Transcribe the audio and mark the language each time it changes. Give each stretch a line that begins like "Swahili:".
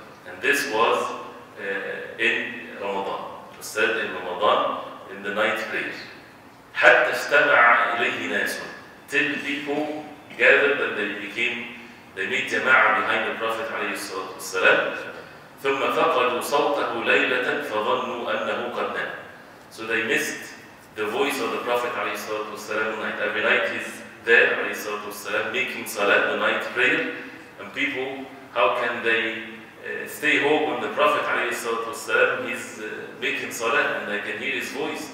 English: And this was in Ramadan. It was said in Ramadan, in the night prayer.
Arabic: حتى اجتمع إليه ناس.
English: Till people gathered and they made jama'ah behind the Prophet عليه الصلاة والسلام.
Arabic: ثم فقدوا صوته ليلة فظنوا أنه قد نام.
English: So they missed the voice of the Prophet night. Every night he's there والسلام, making salat, the night prayer. And people, how can they stay home when the Prophet والسلام, he's making salat and they can hear his voice?